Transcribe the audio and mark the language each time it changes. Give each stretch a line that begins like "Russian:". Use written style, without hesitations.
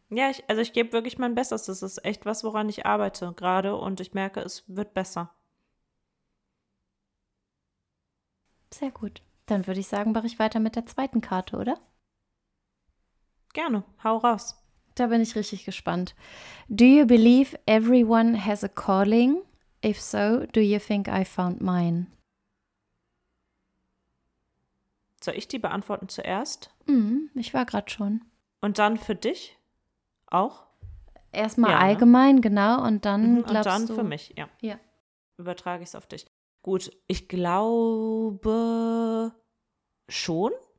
German: Ja, ich gebe wirklich mein Bestes. Das ist echt was, woran ich arbeite gerade. Und ich merke, es wird besser. Sehr gut. Dann würde ich sagen, mache ich weiter mit der zweiten Karte, oder? Gerne, hau raus. Da bin ich richtig gespannt.
English: Do you believe everyone has a calling? If so, do you think I found mine?
German: Soll ich die beantworten zuerst? Ich war gerade schon. Und dann für dich auch? Erstmal ja, allgemein, ne? Genau. Und dann glaubst du... Und dann für mich, ja. Ja. Übertrage ich es auf dich. Gut, ich glaube schon.